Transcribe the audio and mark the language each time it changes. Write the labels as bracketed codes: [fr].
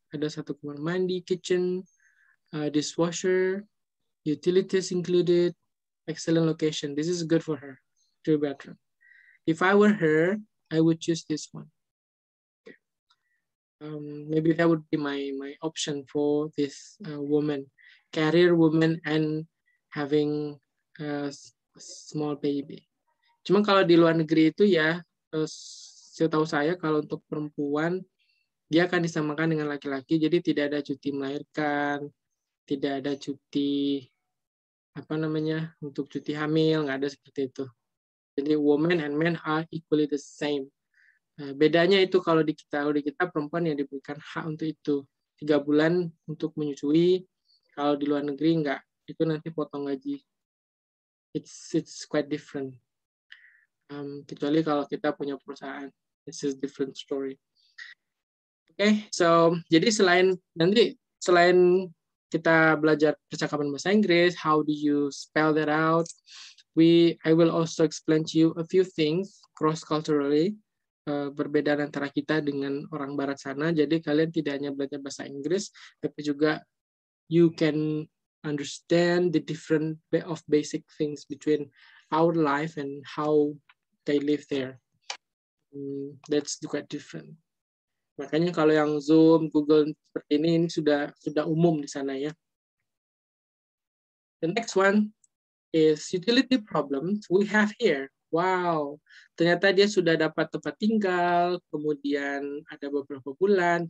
[id] Ada satu kamar mandi, [en] kitchen, dishwasher, utilities included, excellent location. This is good for her. Two bedroom. If I were her, I would choose this one. Maybe that would be my option for this woman, career woman and having a small baby. [id] Cuma kalau di luar negeri itu ya, setahu saya kalau untuk perempuan dia akan disamakan dengan laki-laki, jadi tidak ada cuti melahirkan, tidak ada cuti apa namanya untuk cuti hamil, nggak ada seperti itu. [en] Jadi woman and men are equally the same. [id] Bedanya itu kalau di kita perempuan yang diberikan hak untuk itu 3 bulan untuk menyusui, kalau di luar negeri enggak, itu nanti potong gaji. [en] It's quite different. [id] Kecuali kalau kita punya perusahaan, [en] this is different story. Okay, [id] so jadi selain kita belajar percakapan bahasa Inggris, [en] how do you spell that out? I will also explain to you a few things cross-culturally, [id] perbedaan antara kita dengan orang barat sana. Jadi kalian tidak hanya belajar bahasa Inggris, tapi juga [en] you can understand the different of basic things between our life and how they live there. That's quite different. [id] Makanya kalau yang Zoom, Google seperti ini sudah umum di sana ya. [en] The next one is utility problems we have here. [id] Wow, ternyata dia sudah dapat tempat tinggal, kemudian ada beberapa bulan.